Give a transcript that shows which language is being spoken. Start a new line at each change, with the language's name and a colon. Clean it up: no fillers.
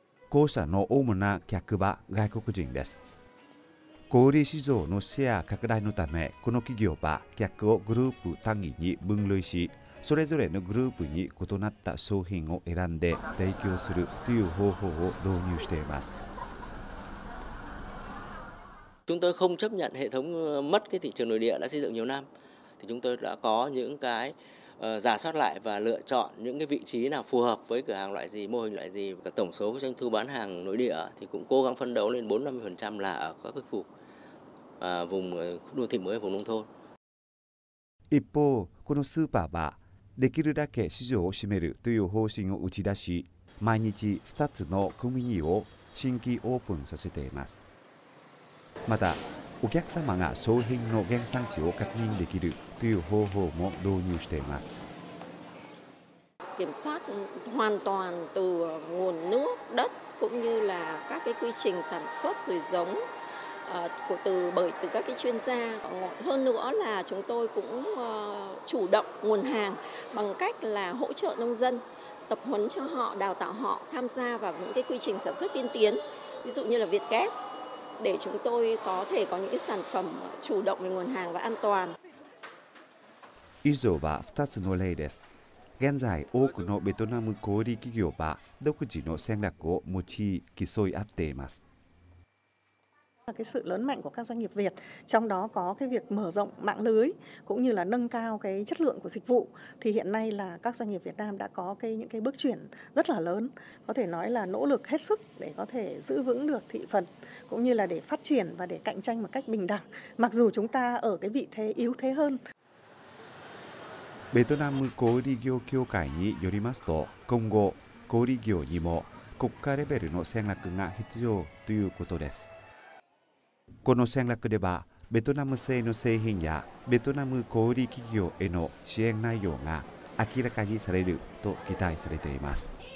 Japanese: 後者の主な客は外国人です。小売市場のシェア拡大のため、この企業は客をグループ単位に分類し、それぞれのグループに異なった商品を選んで提供するという方法を導入しています。
Vietnamese: chúng tôi không chấp nhận hệ thống mất cái thị trường nội địa đã xây dựng nhiều năm thì chúng tôi đã có những cái giả soát lại và lựa chọn những cái vị trí nào phù hợp với cửa hàng loại gì, mô hình loại gì, và tổng số doanh thu bán hàng nội địa thì cũng cố gắng phấn đấu lên 40-50% là ở các khu vùng đô thị mới, vùng nông thôn.
Japanese: 一方、このスーパーはできるだけ市場を占めるという方針を打ち出し、毎日2つの組を新規オープンさせています。また、お客様が商品の原産地を確認できるという方法も導入しています。
Vietnamese: kiểm soát hoàn toàn từ nguồn nước, đất cũng như là các cái quy trình sản xuất rồi giống từ các cái chuyên gia. Hơn nữa là chúng tôi cũng chủ động nguồn hàng bằng cách là hỗ trợ nông dân, tập huấn cho họ, đào tạo họ tham gia vào những cái quy trình sản xuất tiên tiến, ví dụ như là việt ghép, để chúng tôi có thể có những cái sản phẩm chủ động về nguồn hàng và an toàn.
Japanese: 以上は2つの例です。現在多くのベトナム小売企業は独自の戦略を用い競い合っています。
Vietnamese: cái sự lớn mạnh của các doanh nghiệp Việt, trong đó có cái việc mở rộng mạng lưới cũng như là nâng cao cái chất lượng của dịch vụ, thì hiện nay là các doanh nghiệp Việt Nam đã có cái những cái bước chuyển rất là lớn, có thể nói là nỗ lực hết sức để có thể giữ vững được thị phần cũng như là để phát triển và để cạnh tranh một cách bình đẳng, mặc dù chúng ta ở cái vị thế yếu thế hơn.
Japanese: ベトナム小売業協会によりますと、今後、小売業にも国家レベルの戦略が必要ということです。この戦略では、ベトナム製の製品やベトナム小売企業への支援内容が明らかにされると期待されています。